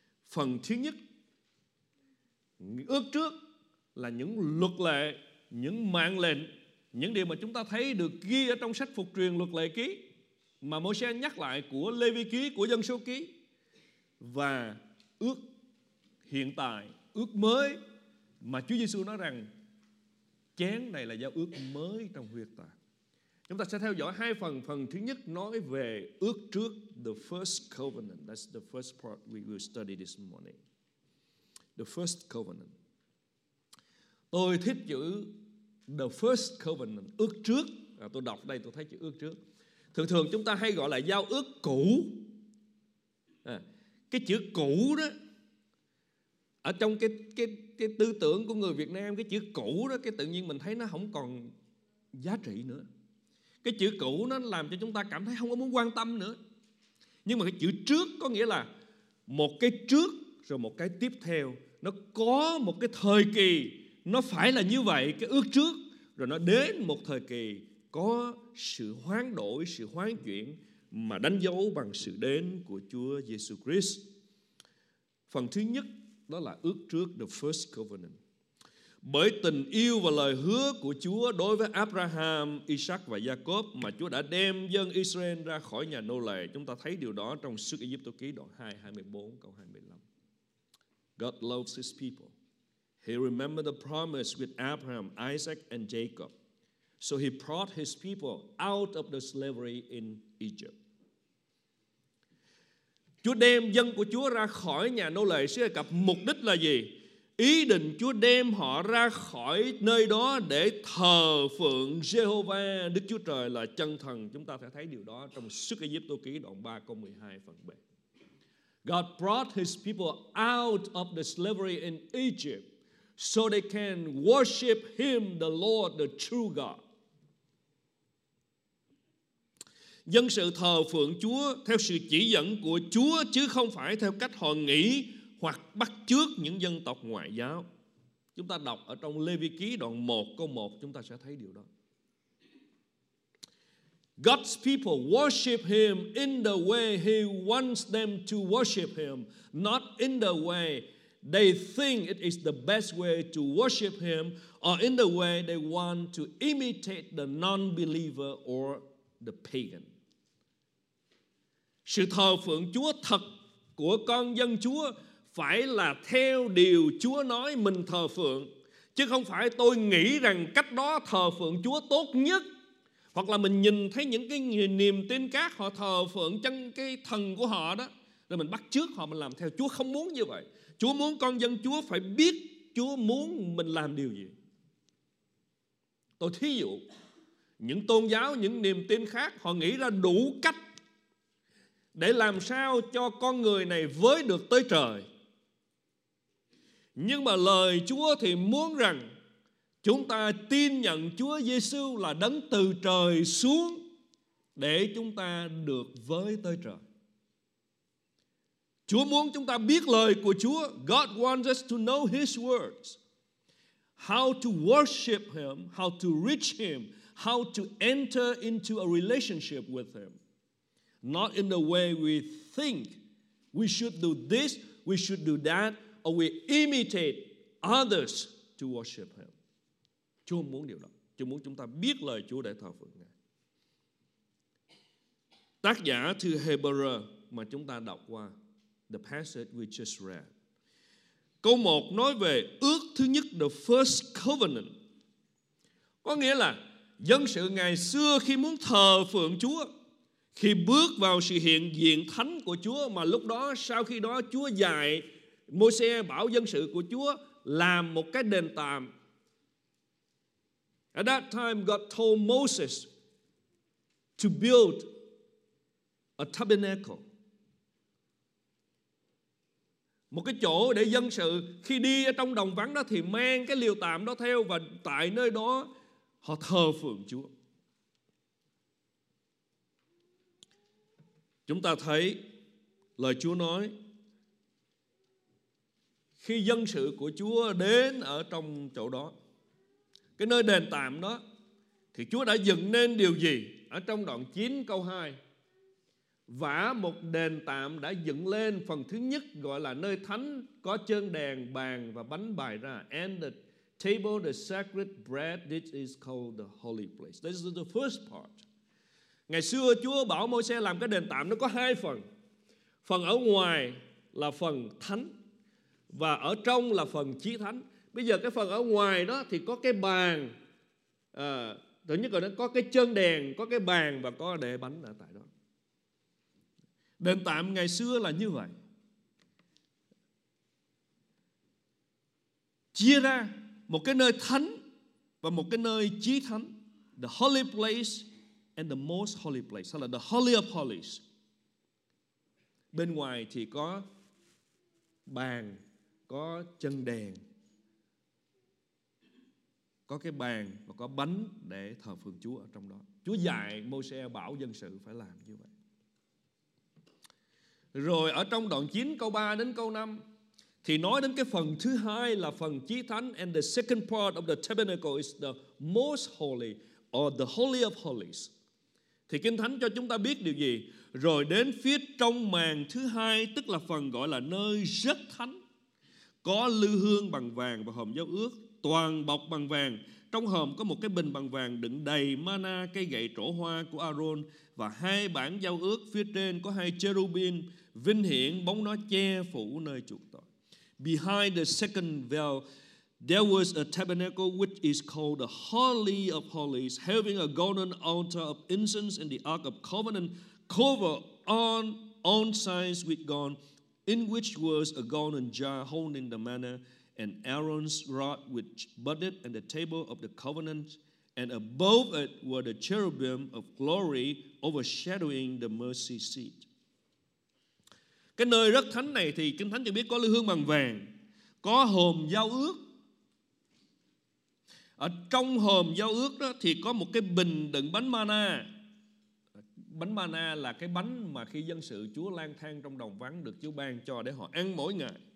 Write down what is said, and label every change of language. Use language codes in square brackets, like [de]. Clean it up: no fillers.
[vi] Phần thứ nhất, ước trước là những luật lệ, những mạng lệnh, những điều mà chúng ta thấy được ghi ở trong sách phục truyền luật lệ ký mà Môi-se nhắc lại, của Lê Vi ký, của Dân Số ký. Và ước hiện tại, ước mới mà Chúa Giê-xu nói rằng chén này là giao ước mới trong huyệt tạng. Chúng ta sẽ theo dõi hai phần. Phần thứ nhất nói về ước trước, [en] the first covenant. That's the first part we will study this morning. The first covenant. [vi] Tôi thích chữ [en] the first covenant, [vi] ước trước. À, tôi đọc đây tôi thấy chữ ước trước. Thường thường chúng ta hay gọi là giao ước cũ. À, cái chữ cũ đó, ở trong cái tư tưởng của người Việt Nam, cái chữ cũ đó, cái tự nhiên mình thấy nó không còn giá trị nữa. Cái chữ cũ nó làm cho chúng ta cảm thấy không có muốn quan tâm nữa. Nhưng mà cái chữ trước có nghĩa là một cái trước rồi một cái tiếp theo. Nó có một cái thời kỳ nó phải là như vậy, cái ước trước. Rồi nó đến một thời kỳ có sự hoán đổi, sự hoán chuyển mà đánh dấu bằng sự đến của Chúa Giê-xu Christ. Phần thứ nhất đó là ước trước, [en] the first covenant. [vi] Bởi tình yêu và lời hứa của Chúa đối với Abraham, Isaac và Jacob mà Chúa đã đem dân Israel ra khỏi nhà nô lệ. Chúng ta thấy điều đó trong Sách Ai Cập ký đoạn 2, 24, câu 25. [en] God loves his people. He remembered the promise with Abraham, Isaac and Jacob. So he brought his people out of the slavery in Egypt. [vi] Chúa đem dân của Chúa ra khỏi nhà nô lệ Sách Ai Cập, mục đích là gì? Ý định Chúa đem họ ra khỏi nơi đó để thờ phượng Jehovah, Đức Chúa Trời là chân thần. Chúng ta sẽ thấy điều đó trong Sách Ai Cập ký đoạn 3 câu 12 phần B. [en] God brought his people out of the slavery in Egypt so they can worship him, the Lord, the true God. [vi] Dân sự thờ phượng Chúa theo sự chỉ dẫn của Chúa chứ không phải theo cách họ nghĩ hoặc bắt chước những dân tộc ngoại giáo. Chúng ta đọc ở trong Lê Vi Ký đoạn 1 câu 1, chúng ta sẽ thấy điều đó. [en] God's people worship him in the way he wants them to worship him, not in the way they think it is the best way to worship him, or in the way they want to imitate the non-believer or the pagan. [vi] Sự thờ phượng Chúa thật của con dân Chúa phải là theo điều Chúa nói mình thờ phượng, chứ không phải tôi nghĩ rằng cách đó thờ phượng Chúa tốt nhất, hoặc là mình nhìn thấy những cái niềm tin khác họ thờ phượng chân cái thần của họ đó, rồi mình bắt chước họ mình làm theo. Chúa không muốn như vậy. Chúa muốn con dân Chúa phải biết Chúa muốn mình làm điều gì. Tôi thí dụ, những tôn giáo, những niềm tin khác họ nghĩ ra đủ cách để làm sao cho con người này với được tới trời. Nhưng mà lời Chúa thì muốn rằng chúng ta tin nhận Chúa Giê-xu là đấng từ trời xuống để chúng ta được với tới trời. Chúa muốn chúng ta biết lời của Chúa. [en] God wants us to know his words. How to worship him, how to reach him, how to enter into a relationship with him. Not in the way we think we should do this, we should do that, or we imitate others to worship him. [vi] Chúa muốn điều đó. Chúa muốn chúng ta biết lời Chúa để thờ phượng Ngài. Tác giả thư Hebrew mà chúng ta đọc qua, [en] the passage we just read. [vi] Câu 1 nói về ước thứ nhất, [en] the first covenant. [vi] Có nghĩa là dân sự ngày xưa khi muốn thờ phượng Chúa, khi bước vào sự hiện diện thánh của Chúa, mà lúc đó sau khi đó Chúa dạy Môi-se bảo dân sự của Chúa làm một cái đền tạm. [en] At that time God told Moses to build a tabernacle. [vi] Một cái chỗ để dân sự khi đi ở trong đồng vắng đó thì mang cái liều tạm đó theo, và tại nơi đó họ thờ phượng Chúa. Chúng ta thấy lời Chúa nói khi dân sự của Chúa đến ở trong chỗ đó, cái nơi đền tạm đó, thì Chúa đã dựng nên điều gì? Ở trong đoạn 9 câu 2, vả một đền tạm đã dựng lên, phần thứ nhất gọi là nơi thánh, có chân đèn, bàn và bánh bày ra. [en] And the table, the sacred bread, this is called the holy place. This is the first part. [vi] Ngày xưa Chúa bảo Môi-se làm cái đền tạm, nó có hai phần. Phần ở ngoài là phần thánh, và ở trong là phần chí thánh. Bây giờ cái phần ở ngoài đó thì có cái bàn, thứ nhất là nó có cái chân đèn, có cái bàn và có để bánh ở tại đó. Đền tạm ngày xưa là như vậy. Chia ra một cái nơi thánh và một cái nơi chí thánh. [en] The holy place and the most holy place, [vi] hay là [en] the holy of holies. [vi] Bên ngoài thì có bàn, có chân đèn, có cái bàn và có bánh để thờ phượng Chúa ở trong đó. Chúa dạy Môi-se bảo dân sự phải làm như vậy. Rồi ở trong đoạn 9 câu 3 đến câu 5 thì nói đến cái phần thứ hai là phần chí thánh. [en] And the second part of the tabernacle is the most holy or the holy of holies. [vi] Thì Kinh Thánh cho chúng ta biết điều gì? Rồi đến phía trong màn thứ hai, tức là phần gọi là nơi rất thánh, có lư hương bằng vàng và hòm giao ước toàn bọc bằng vàng. Trong hòm có một cái bình bằng vàng đựng đầy mana, cây gậy trổ hoa của Aaron và hai bản giao ước. Phía trên có hai cherubim vinh hiển, bóng nó che phủ nơi chuộc tội. [en] Behind the second veil there was a tabernacle which is called the Holy of Holies, having a golden altar of incense and the Ark of Covenant covered on all sides with gold, in which was a golden jar holding the manna and Aaron's rod which budded, and the table of the covenant, and above it were the cherubim of glory overshadowing the mercy seat. [vi] Cái nơi rất thánh này thì Kinh Thánh cho biết có lư hương bằng vàng, có hòm giao ước. Ở trong hòm giao ước đó thì có một cái bình đựng bánh manna. Bánh manna là cái bánh mà khi dân sự Chúa lang thang trong đồng vắng được Chúa ban cho để họ ăn mỗi ngày.